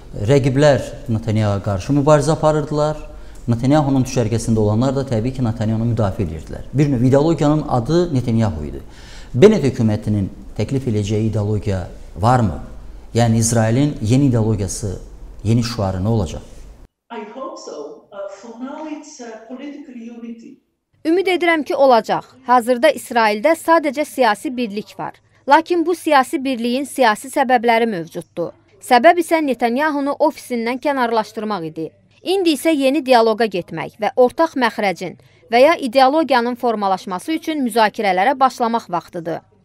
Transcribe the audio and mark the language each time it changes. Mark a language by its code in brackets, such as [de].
[az] Rəqiblər Netanyahu'ya qarşı mübarizə aparırdılar. Netanyahu'nun düşərgəsində olanlar da təbii ki, Netanyahu'nu müdafiə edirdilər. Bir növ ideologiyanın adı Netanyahu idi. Bennett hökumətinin təklif edəcəyi ideologiya varmı? Yəni, İsrailin yeni ideologiyası, yeni şüarı nə olacaq? [en] I hope so. For now it's a political unity. [az] Ümid edirəm ki, olacaq. Hazırda İsraildə sadəcə siyasi birlik var. Lakin bu siyasi birliyin siyasi səbəbləri mövcuddur. Səbəb isə Netanyahunu ofisindən kənarlaşdırmaq idi. İndi isə yeni dialoqa getmək və ortaq məxrəcin və ya ideologiyanın formalaşması üçün müzakirələrə başlamaq vaxtıdır.